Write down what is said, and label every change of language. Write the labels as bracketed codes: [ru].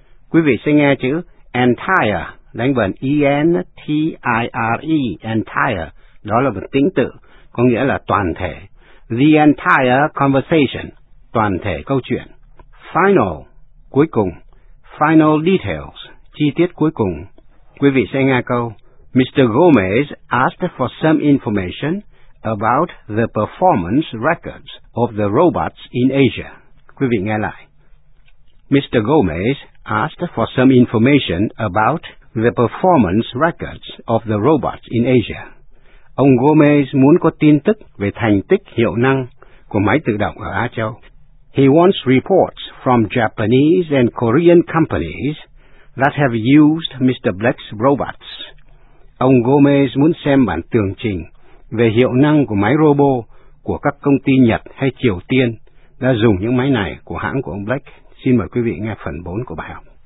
[vi] Quý vị sẽ nghe chữ entire, đánh vần E-N-T-I-R-E, entire, đó là một tính tự, có nghĩa là toàn thể. [en] The entire conversation, [vi] toàn thể câu chuyện. Final, cuối cùng. [en] Final details, [vi] chi tiết cuối cùng. Quý vị sẽ nghe câu. Mr. [en] Gomez asked for some information about the performance records of the robots in Asia. [vi] Quý vị nghe lại. [en] Mr. Gomez asked for some information about the performance records of the robots in Asia. [vi] Ông Gomez muốn có tin tức về thành tích hiệu năng của máy tự động ở Á Châu. [en] He wants reports from Japanese and Korean companies that have used Mr. Black's robots. [vi] Ông Gomez muốn xem bản tường trình về hiệu năng của máy robot của các công ty Nhật hay Triều Tiên đã dùng những máy này của hãng của ông Black. Xin mời quý vị nghe phần 4 của bài học.